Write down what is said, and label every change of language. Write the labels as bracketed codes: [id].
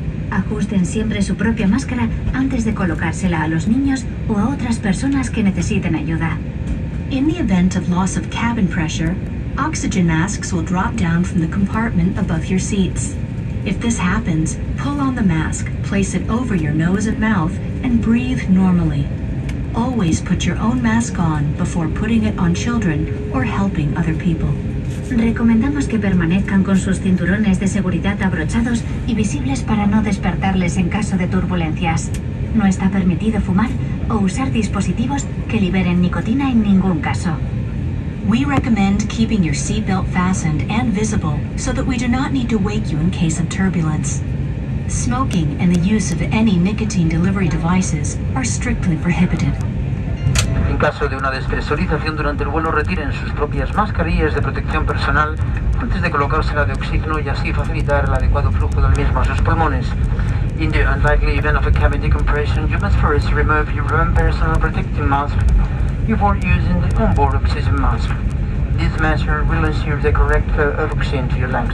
[es] Ajusten siempre su propia máscara antes de colocársela a los niños o a otras personas que necesiten ayuda. [en] In the event of loss of cabin pressure, oxygen masks will drop down from the compartment above your seats. If this happens, pull on the mask, place it over your nose and mouth, and breathe normally. Always put your own mask on before putting it on children or helping other people. [es] Recomendamos que permanezcan con sus cinturones de seguridad abrochados y visibles para no despertarles en caso de turbulencias. No está permitido fumar o usar dispositivos que liberen nicotina en ningún caso. [en] We recommend keeping your seatbelt fastened and visible so that we do not need to wake you in case of turbulence. Smoking and the use of any nicotine delivery devices are strictly prohibited. [es] En caso de una despresurización durante el vuelo, retiren sus propias mascarillas de protección personal antes de colocársela de oxígeno y así facilitar el adecuado flujo del mismo a sus pulmones. [en] In the unlikely event of a cabin decompression, you must first remove your own personal protective mask before using the onboard oxygen mask. This measure will ensure the correct flow of oxygen to your lungs.